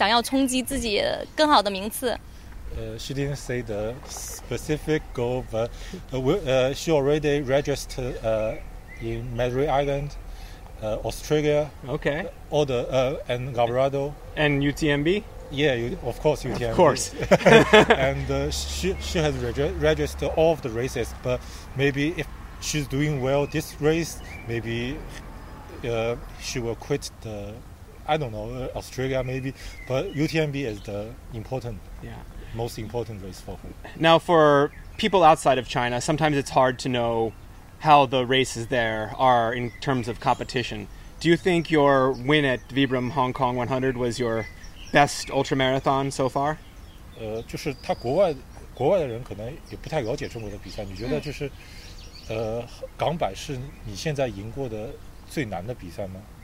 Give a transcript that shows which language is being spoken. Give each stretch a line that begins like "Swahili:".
Chinese: 就是争取在这个积分高的赛事当中排名会高一点点，就是我会打很多场次积分高的比赛，但是也要看情况，就是如果说这场打得好的话，可能下一场我就会舍弃，就是想要冲击自己更好的名次。
English: She didn't say the specific goal, but she already registered in Madrid Island, Australia, okay, all the and Colorado and UTMB. Yeah, of course UTMB. Of course, and she has registered all of the races. But maybe if she's doing well this race, maybe she will quit the. I don't know Australia maybe, but UTMB is the important. Yeah. Most important race for her. Now, for people outside of China, sometimes it's hard to know how the races there are in terms of competition. Do you think your win at Vibram Hong Kong 100 was your best ultramarathon so far?
Chinese: 就是他国外的人可能也不太了解中国的比赛，你觉得就是港百是你现在赢过的最难的比赛吗？